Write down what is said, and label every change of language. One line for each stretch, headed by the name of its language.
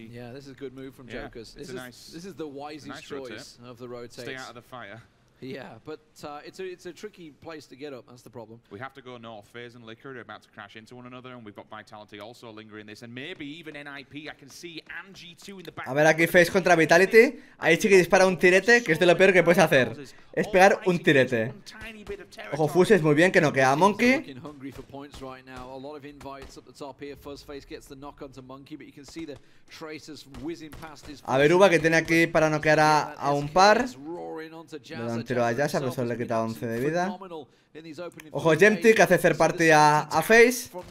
English: Yeah, this is a good move from Jokers. This is the wisest choice of the rotates. Stay out of the fire. Yeah, but it's a tricky place to get up. That's the problem. We have to go north. FaZe and Liquor are about to crash into one another, and we've got Vitality also lingering in this, and maybe even NIP. I can see G2 in the back.
Spanish: A ver aquí FaZe contra Vitality. Ahí sí que dispara un tirete, que es de lo peor que puedes hacer. Es pegar un tirete. Ojo, Fuses, muy bien, que no queda Monkey.
English: Looking hungry for points right now. A lot of invites up the top here. Fuzz Face gets the knock onto Monkey, but you can see the tracers whizzing past his.
Spanish: A ver Uva, que tiene aquí para noquear a un par. Un tiro a Jazz, a pesar de le quita 11 de vida. Ojo, Jemty, que hace hacer parte a FaZe.